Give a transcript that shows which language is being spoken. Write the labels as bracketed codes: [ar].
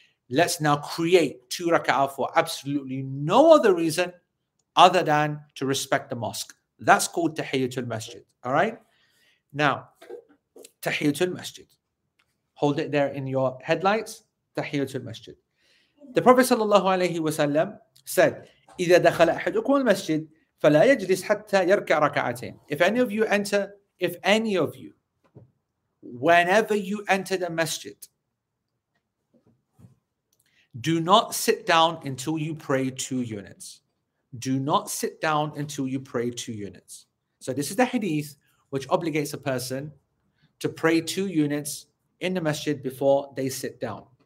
[en] Let's now create two raka'ah for absolutely no other reason other than to respect the mosque. That's called tahiyyatul masjid, all right? Now, tahiyyatul masjid. Hold it there in your headlights. Tahiyyatul masjid. The Prophet sallallahu alayhi wa sallam said, [ar] إِذَا دَخَلَ أَحَدُكُمُ الْمَسْجِدِ فَلَا يَجْلِسْ حَتَّى يَرْكَعَ رَكَعَتَيْنِ. [en] If any of you, whenever you enter the masjid, do not sit down until you pray two units. Do not sit down until you pray two units. So this is the hadith which obligates a person to pray two units in the masjid before they sit down.